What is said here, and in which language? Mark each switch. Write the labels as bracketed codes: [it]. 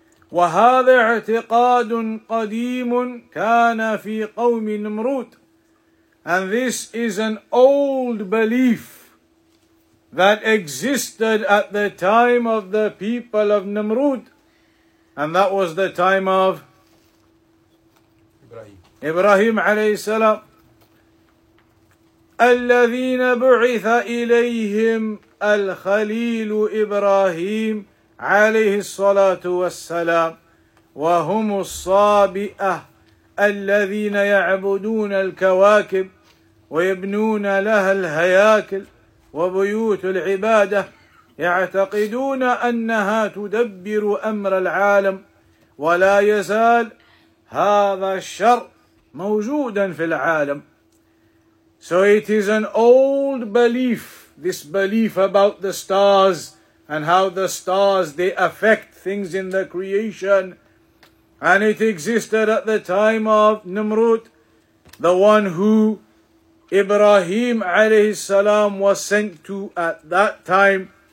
[ar] وهذا اعتقاد قديم كان في قوم نمرود. [en] And this is an old belief that existed at the time of the people of Namrud. And that was the time of Ibrahim عليه السلام. [ar] الذين بعث إليهم الخليل إبراهيم عليه الصلاة والسلام وهم الصابئة الذين يعبدون الكواكب ويبنون لها الهياكل وبيوت العبادة يعتقدون أنها تدبر أمر العالم ولا يزال هذا الشر موجودا في العالم. [en] So it is an old belief, this belief about the stars and how the stars, they affect things in the creation. And it existed at the time of Nimrud, the one who Ibrahim alayhi salam was sent to at that time.